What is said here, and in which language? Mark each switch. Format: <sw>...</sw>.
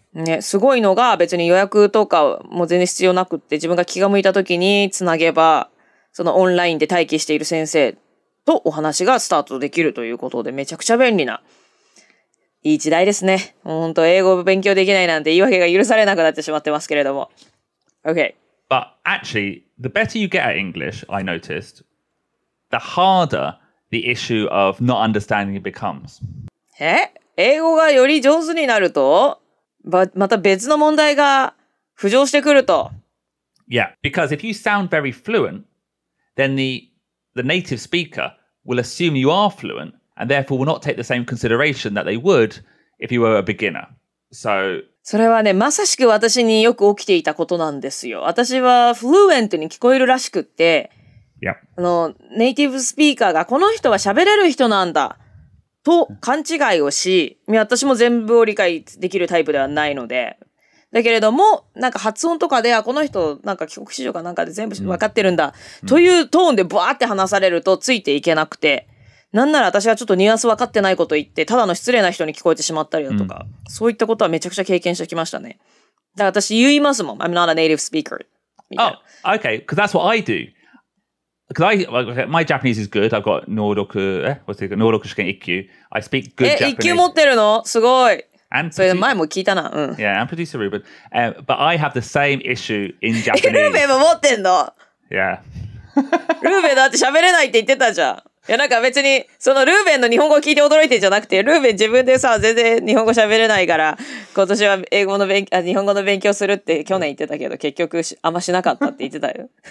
<ja>ね、すごいのが別に予約とかも全然必要なくって自分が気が向いた時につなげばそのオンラインで待機している先生とお話がスタートできるということでめちゃくちゃ便利ないい時代ですね。本当英語を勉強できないなんて言い訳が許されなくなってしまってますけれども OK</ja> <en>But actually the better you get at English I noticed the harder the issue of not understanding becomes</en> <ja>え英語がより上手になるとまた別の問題が浮上してくると。</ja> <en>Yeah, because if you sound very fluent, then the native speaker will assume you are fluent and therefore will not take the same consideration that they would if you were a beginner. So,</en> <ja>それはね、まさしく私によく起きていたことなんですよ。私はフルエントに聞こえるらしくって、</ja> <en>yeah.</en> <ja>あの、ネイティブスピーカーがこの人は喋れる人なんだ。と勘違いをし、私も全部を理解できるタイプではないので、だけれども、なんか発音とかで、あ、この人、なんか帰国子女かなんかで全部分かってるんだ、というトーンでブワーって話されるとついていけなくて、なんなら私がちょっとニュアンス分かってないこと言って、ただの失礼な人に聞こえてしまったりだとか、そういったことはめちゃくちゃ経験してきましたね。だから私言いますもん。</ja> <en>I'm not a native speaker. Oh, okay, because that's what I do. Because my Japanese is good. I've got 能力, what's it called? 能力試験1級. I speak good Japanese.</en> <ja>1級持ってるの?すごい。それ前も聞いたな。うん。</ja> <en>Yeah, I'm producer Ruben. But I have the same issue in Japanese.</en> <ja>ルーベも持ってんの?</ja> <en>Yeah.</en> <ja>ルーベだって喋れないって言ってたじゃん。いやなんか別にそのルーベンの日本語を聞いて驚いてんじゃなくてルーベン自分でさ全然日本語喋れないから今年は英語の勉強日本語の勉強するって去年言ってたけど結局あんましなかったって言ってたよ。</ja>